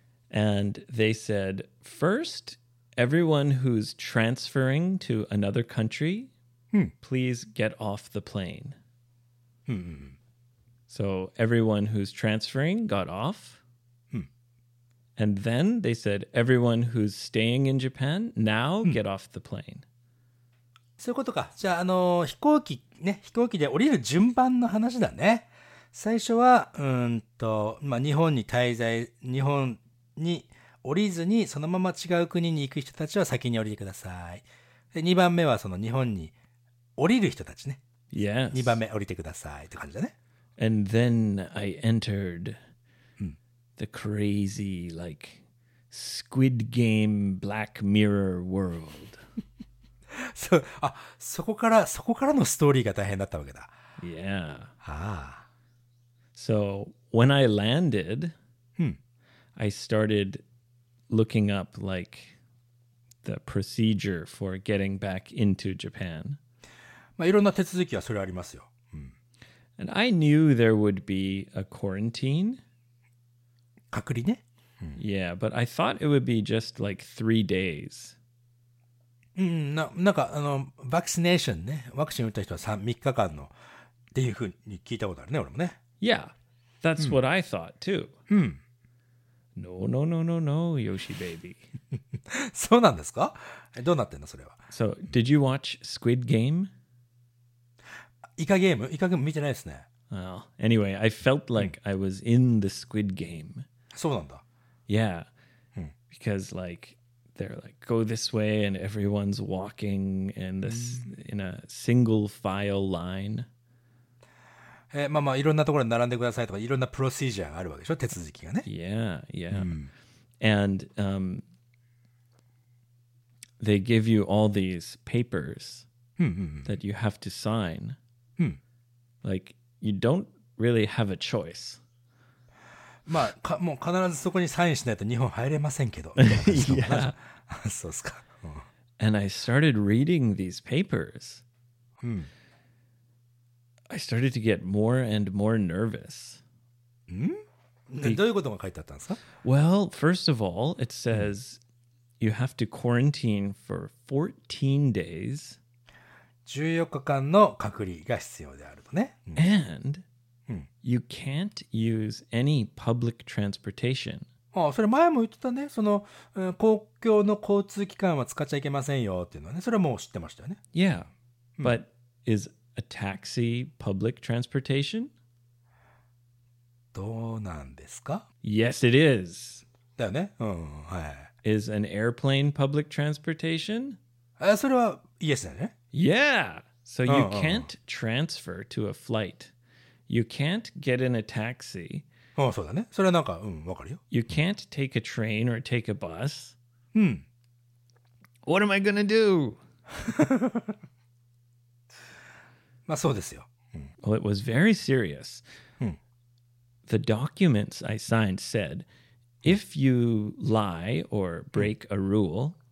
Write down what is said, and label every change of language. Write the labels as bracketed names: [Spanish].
[English] And they said, first, everyone who's transferring to another country, please get off the plane. So everyone who's transferring got off. And then they said, everyone who's staying in Japan, now get off the plane. [Japanese] そういうことか。じゃあ、飛行機ね、飛行機で降りる順番の話だね。最初は、まあ、日本に滞在、日本に降りずに、そのまま違う国に行く人たちは先に降りてください。で、2番目は、その日本に降りる人たちね。 [English] Yes. [Japanese] 2番目降りてくださいって感じだね。 [English] And then I entered the crazy, like, Squid Game Black Mirror World. [Japanese] そ, あ、そこから、そこからのストーリーが大変だったわけだ。 [English] Yeah. [Japanese] ああ。 [English] So, when I landed, I started looking up, like, the procedure for getting back into Japan. [Japanese] まあ、いろんな手続きはそれありますよ。 [English] And I knew there would be a quarantine. [Japanese] 隔離ね。 [English] Yeah, but I thought it would be just, like, 3 days. [Japanese] なんか、あの、ワクチネーションね。ワクチン打った人は3日間の、っていうふうに聞いたことあるね、俺もね。 [English] Yeah, that's what I thought too. No, Yoshi baby. [Japanese] そうなんですか？どうなってんのそれは。 [English] So, did you watch Squid Game? [Japanese] イカゲーム見てないですね。 [English] Well, anyway, I felt like I was in the Squid Game. [Japanese] そうなんだ。 [English] Yeah, because like, they're like, go this way and everyone's walking in, this, in a single file line. [Japanese] まあまあいろんなところに並んでくださいとかいろんなプロシージャーがあるわけでしょ手続きがね。 [English] Yeah, yeah. And they give you all these papers that you have to sign. Like you don't really have a choice. [Japanese] まあもう必ずそこにサインしないと日本入れませんけど。 [English] Yeah. [Japanese] そうすか。 [English] And I started reading these papers. I started to get more and more nervous. [Japanese] どういうことが書いてあったんですか? [English] Well, first of all, it says you have to quarantine for 14 days. [Japanese] 14日間の隔離が必要であるとね。 [English] And you can't use any public transportation. [Japanese] ああ、それ前も言ってたね。その、公共の交通機関は使っちゃいけませんよっていうのはね。それはもう知ってましたよね。 [English] Yeah, but is... A taxi public transportation? [Japanese] どうなんですか? [English] Yes, it is. [Japanese] だよね?はい。 [English] Is an airplane public transportation? [Japanese] それは、yes だよね? [English] Yeah! So you can't transfer to a flight. You can't get in a taxi. そうだね。それはなんか、わかるよ。 You can't take a train or take a bus. What am I gonna do? [Japanese] まあそうですよ。 [English] Well, it was very serious. The documents I signed said, if you lie or break a rule,、